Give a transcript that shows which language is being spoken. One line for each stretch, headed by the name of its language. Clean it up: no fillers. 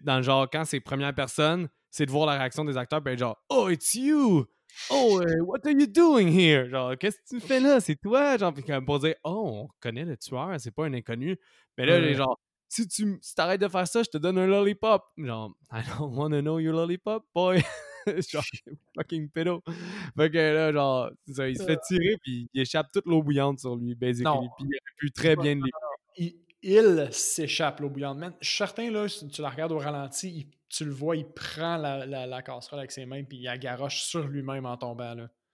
French: Dans le genre, quand c'est première personne, c'est de voir la réaction des acteurs puis être genre «
English: Oh, it's you! » Oh, what are you doing here?
French: Genre, qu'est-ce que tu fais là? C'est toi? Genre, puis comme pour dire, oh, on connaît le tueur, c'est pas un inconnu. Mais là, les gens, si tu t'arrêtes de faire ça, je te donne un lollipop.
English: Genre, I don't want to know your lollipop, boy.
French: Genre, fucking pedo. Fait que là, genre, ça, il se fait tirer, puis il échappe toute l'eau bouillante sur lui, basically. Puis il a pu très bien le Il s'échappe l'eau bouillante. Mais certains, là, si tu la regardes au ralenti, tu le vois, il prend la casserole avec ses mains, puis il agaroche sur lui-même en tombant, là.